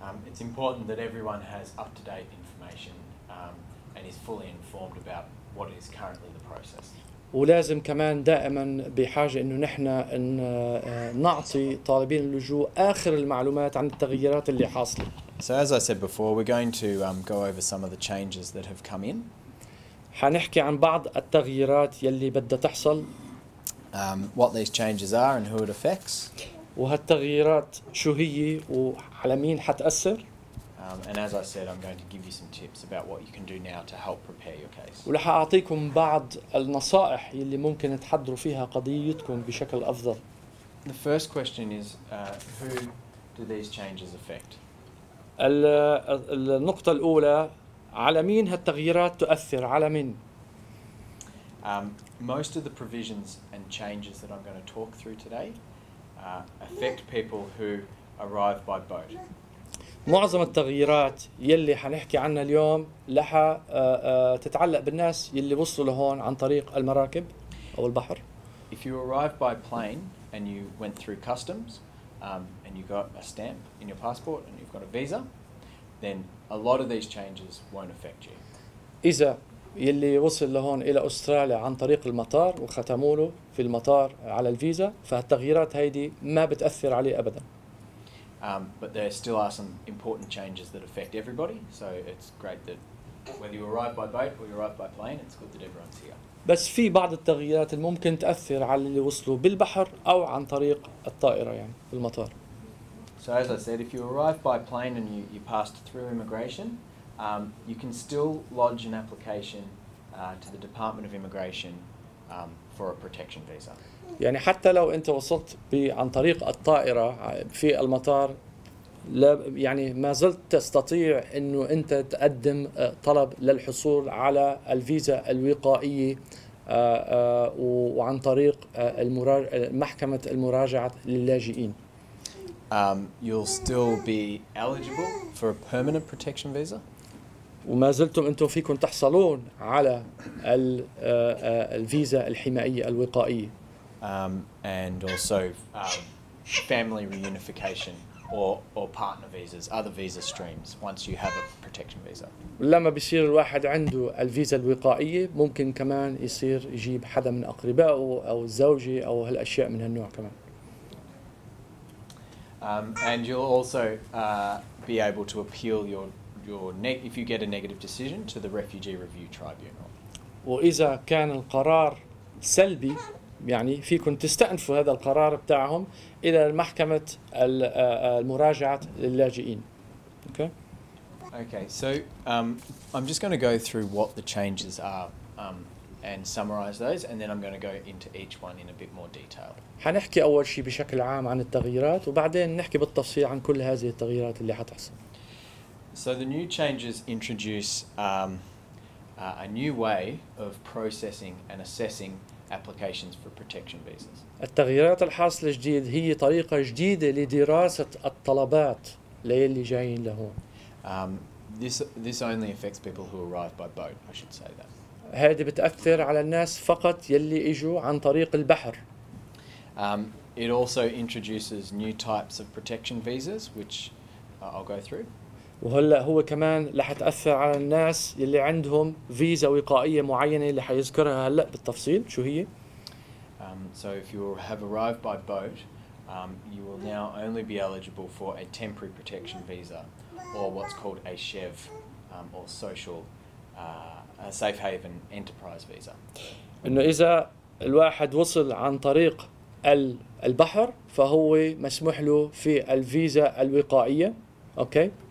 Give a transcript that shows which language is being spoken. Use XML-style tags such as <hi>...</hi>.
<en>It's important that everyone has up-to-date information and is fully informed about what is currently the process.</en> <ar>ولازم كمان دائما بحاجة إنه نحنا إن نعطي طالبين اللجوء آخر المعلومات عن التغييرات اللي حاصلة.</ar> <en>So as I said before, we're going to go over some of the changes that have come in.</en> <ar>حنحكي عن بعض التغييرات يلي بدها تحصل.</ar> <en>What these changes are and who it affects.</en> <ar>وهالتغييرات شو هي وعلى مين حتأثر.</ar> <en>And as I said, I'm going to give you some tips about what you can do now to help prepare your case.</en> <ar>ولح أعطيكم بعض النصائح يلي ممكن تحضروا فيها قضيتكم بشكل أفضل.</ar> <en>The first question is, who do these changes affect?</en> <ar>النقطة الأولى. على مين هالتغييرات تؤثر؟ على مين؟</ar> <en>Most of the provisions and changes that I'm going to talk through today affect people who arrive by boat.</en> <ar>معظم التغييرات يلي حنحكي عنها اليوم لها تتعلق بالناس يلي وصلوا لهون عن طريق المراكب أو البحر.</ar> <en>If you arrive by plane and you went through customs and you got a stamp in your passport and you've got a visa, then a lot of these changes won't affect you.</en> <ar>إذا يلي وصل لهون إلى أستراليا عن طريق المطار وختموا له في المطار على الفيزا، فهالتغييرات هيدي ما بتأثر عليه أبداً.</ar> <en>But there still are some important changes that affect everybody. So it's great that whether you arrive by boat or you arrive by plane, it's good that everyone's here.</en> <ar>بس في بعض التغييرات اللي ممكن تأثر على اللي وصلوا بالبحر أو عن طريق الطائرة يعني في المطار.</ar> <en>So as I said, if you arrive by plane and you passed through immigration, you can still lodge an application to the Department of Immigration for a protection visa.</en> <ar>يعني حتى لو أنت وصلت عن طريق الطائرة في المطار لا يعني ما زلت تستطيع إنه أنت تقدم طلب للحصول على الفيزا الوقائية وعن طريق محكمة المراجعة للاجئين.</ar> <en>You'll still be eligible for a permanent protection visa.</en> <ar>وما زلتم أنتم فيكم تحصلون على الفيزا الحمائية الوقائية.</ar> <en>And also family reunification. Or partner visas, other visa streams. Once you have a protection visa.</en> <ar>لما بيصير الواحد عنده الفيزا الوقائية ممكن كمان يصير يجيب حدا من أقربائه أو الزوجة أو هالأشياء من هالنوع كمان.</ar> <en>And you'll also be able to appeal if you get a negative decision to the Refugee Review Tribunal.</en> <ar>وإذا كان القرار سلبي. يعني فيكم تستأنفوا هذا القرار بتاعهم إلى محكمة المراجعة للاجئين.</ar> <en>Okay. So I'm just going to go through what the changes are and summarize those, and then I'm going to go into each one in a bit more detail.</en> <ar>حنحكي أول شيء بشكل عام عن التغييرات وبعدين نحكي بالتفصيل عن كل هذه التغييرات اللي حتحصل.</ar> <en>So the new changes introduce a new way of processing and assessing applications for protection visas.</en> <ar>التغييرات الحاصلة جديد هي طريقة جديدة لدراسة الطلبات للي جايين لهون.</ar> <en>This only affects people who arrive by boat. I should say that.</en> <ar>هذا بتأثر على الناس فقط يلي إجوا عن طريق البحر.</ar> <en>It also introduces new types of protection visas, which I'll go through.</en> <ar>وهلا هو كمان لح تأثر على الناس يلي عندهم فيزا وقائية معينة اللي حيذكرها هلا بالتفصيل شو هي.</ar> <en>So if you have arrived by boat, you will now only be eligible for a temporary protection visa, or what's called a SHEV, or social, a safe haven enterprise visa.</en> <ar>إنه إذا الواحد وصل عن طريق البحر فهو مسموح له في الفيزا الوقائية، okay.</ar>